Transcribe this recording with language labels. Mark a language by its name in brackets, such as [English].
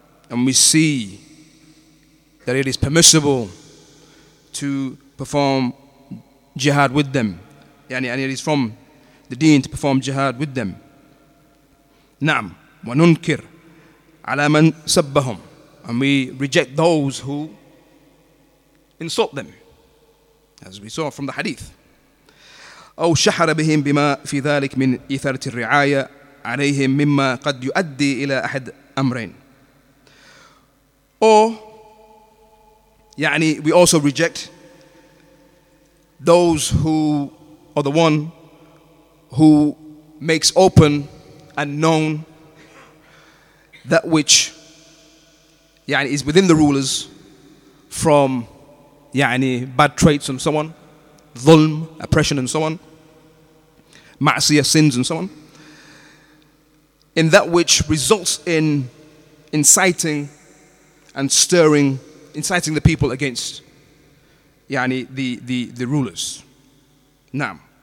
[English] And we see that it is permissible to perform jihad with them. يعني, and it is from the deen to perform jihad with them. [Arabic] نَعْمْ وَنُنْكِرْ عَلَى مَنْ سَبَّهُمْ. [English] And we reject those who insult them, as we saw from the hadith. [Arabic] أو شحر بهم بما في ذلك من إثارة الرعاية عليهم مما قد يؤدي إلى أحد أمرين. [English] Or, يعني, we also reject those who, or the one who makes open and known that which is within the rulers from bad traits and so on, dhulm, oppression and so on, ma'asiyah, sins and so on, in that which results in inciting the people against the rulers. Naam.